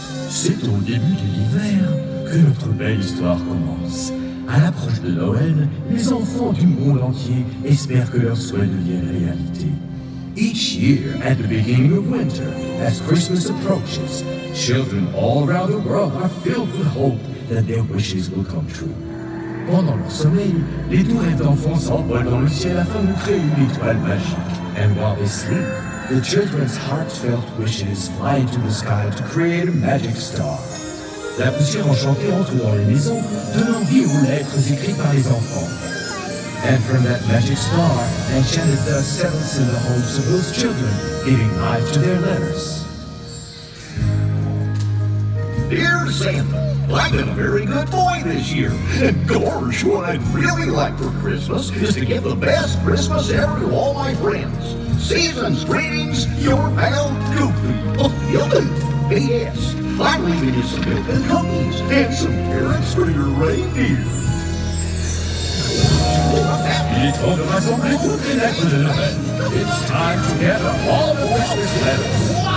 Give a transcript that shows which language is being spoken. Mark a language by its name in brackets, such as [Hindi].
[French] C'est au début de l'hiver que notre belle histoire commence. À l'approche de Noël, les enfants du monde entier espèrent que leurs souhaits deviennent réalité. [English] Each year, at the beginning of winter, as Christmas approaches, children all around the world are filled with hope that their wishes will come true. [French] Pendant leur sommeil, les doux rêves d'enfants s'envolent dans le ciel afin de créer une étoile magique. [English] And while they sleep, the children's heartfelt wishes fly into the sky to create a magic star. [French] La poussière enchantée entre dans les maisons, donnant vie aux lettres écrites par les enfants. [English] And from that magic star, enchanted dust settles in the homes of those children, giving life to their letters. Dear Santa, I've been a very good boy this year. And gosh, what I'd really like for Christmas is to give the best Christmas ever to all my friends. Season's greetings, your pal Goofy. Yes, I'm leaving you some milk and cookies and some carrots for your reindeer. [French] Il est temps de rassembler toutes les lettres de Noël. [English] It's time to gather all the precious letters.